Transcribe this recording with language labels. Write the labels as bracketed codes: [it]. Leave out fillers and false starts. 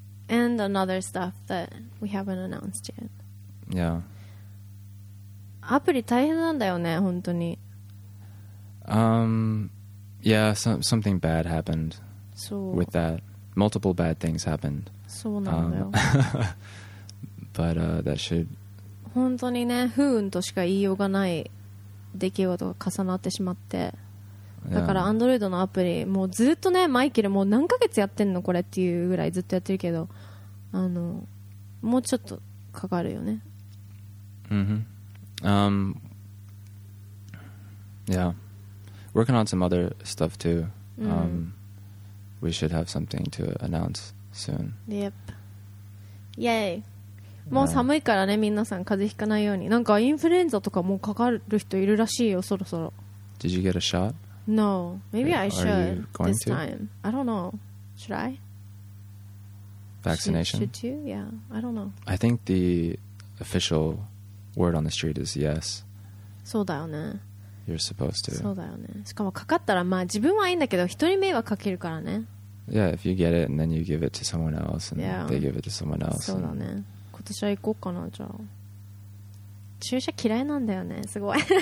[en] And another stuff that we haven't announced yet. Yeah. [ja] アプリ大変なんだよね、本当に。 [en] Yeah, something bad happened with that. Multiple bad things happened. [ja] そうなんだよ。 [en] But that should... [ja] 本当にね、不運としか言いようがない出来事が重なってしまって。だから Android のアプリ、もうずっとね、マイケルもう何ヶ月やってんのこれっていうぐらいずっとやってるけど、あの、もうちょっとかかるよね。 Mm-hmm. [en] Yeah. Working on some other stuff too. We should have something to announce soon. Yep. Yay. [ja] もう寒いからね、皆さん風邪ひかないように。なんかインフルエンザとかもうかかる人いるらしいよ、そろそろ。 [en] Did you get a shot? No. Maybe I should Are you going this time. To? I don't know. Should I? Vaccination? Should you? Yeah. I don't know. I think the official word on the street is yes. [ja] そうだよね。 [en] You're supposed to. [ja] そうだよね。しかもかかったら、まあ自分はいいんだけど、人に迷惑かけるからね。 [en] Yeah, if you get it and then you give it to someone else and yeah, they give it to someone else. [ja] そうだね。今年は行こうかな、じゃあ。注射嫌いなんだよね、すごい。